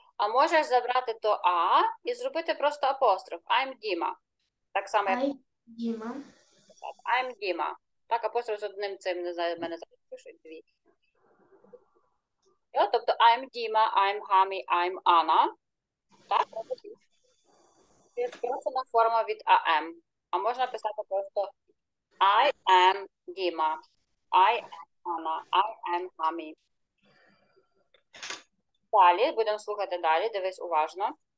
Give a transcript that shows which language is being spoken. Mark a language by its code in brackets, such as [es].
[uk] А можеш забрати то А і зробити просто апостроф. [en] I'm Dima. [uk] Так само, [en] I'm Dima. [uk] Так, апостроф з одним цим, не знаю, в мене зараз пишуть дві. Йо, тобто, [en] I'm Dima, I'm Hami, I'm Anna. [uk] Так, робити. Це форма від AM. А можна писати просто [en] I am Dima. I am Anna. I am Hami. [uk] Далі, будемо слухати далі, дивись уважно.